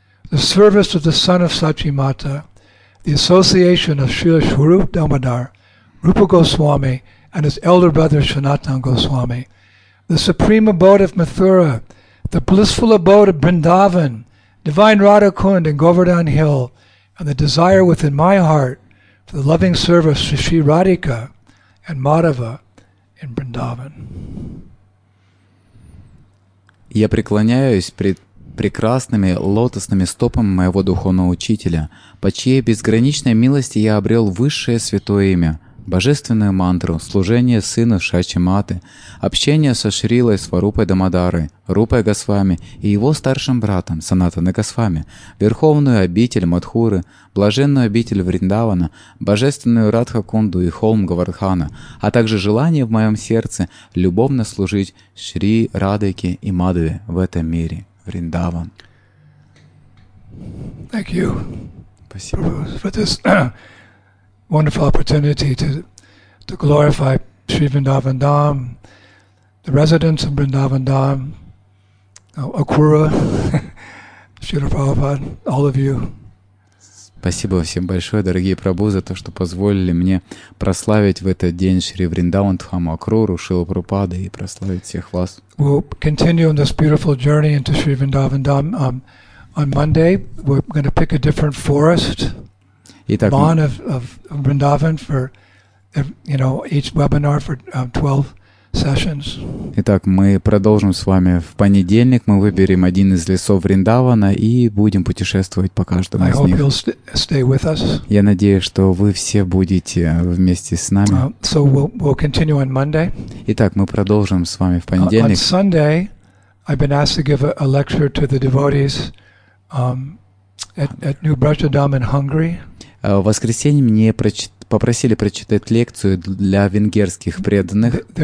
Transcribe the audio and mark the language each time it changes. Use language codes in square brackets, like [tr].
[en] the service of the son of Sachimata, the association of Srila Swarup Damodar, Rupa Goswami, and his elder brother Sanatan Goswami, the supreme abode of Mathura, the blissful abode of Vrindavan, divine Radhakund and Govardhan Hill, and the desire within my heart for the loving service of Sri Radhika and Madhava in Vrindavan. [ru] Я преклоняюсь пред прекрасными лотосными стопами моего духовного учителя, по чьей безграничной милости я обрел высшее святое имя, божественную мантру, служение сына Сачимати, общение со Шрилой Сварупой Дамодарой, Рупой Госвами и его старшим братом Санатаной Госвами, верховную обитель Мадхуры, блаженную обитель Вриндавана, божественную Радхакунду и холм Говардхана, а также желание в моем сердце любовно служить Шри Радхике и Мадве в этом мире, Вриндаван. [en] Thank you. [ru] Спасибо. [en] Wonderful opportunity to glorify Sri Vrindavan Dham, the residents of Vrindavan Dham, Akura, Srila Prabhupada, all of you. [ru] Спасибо всем большое, дорогие Прабху, за то, что позволили мне прославить в этот день Шри Вриндаван Дхаму, Акуру, Шрила Прабхупада и прославить всех вас. [en] We'll continue on this beautiful journey into Sri Vrindavan Dham. On Monday, we're going to pick a different forest. [ru] Итак, [en] Bond of Vrindavan for, you know, each webinar for 12 sessions. [ru] Итак, мы продолжим с вами в понедельник. Мы выберем один из лесов Вриндавана и будем путешествовать по каждому из них. [en] I hope you'll stay with us. [ru] Я надеюсь, что вы все будете вместе с нами. [en] So we'll continue on Monday. [ru] Итак, мы продолжим с вами в понедельник. [en] On Sunday, I've been asked to give a lecture to the devotees at New Brajadam in Hungary. [ru] В воскресенье мне попросили прочитать лекцию для венгерских преданных.